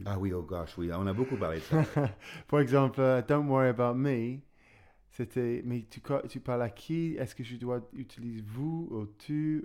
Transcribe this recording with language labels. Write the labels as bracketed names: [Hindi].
[French] Ah oui, oh gosh, oui, on a beaucoup parlé de ça. Par exemple, [English] don't worry about me. [French] C'était, mais tu parles à qui? Est-ce que je dois utiliser vous ou tu?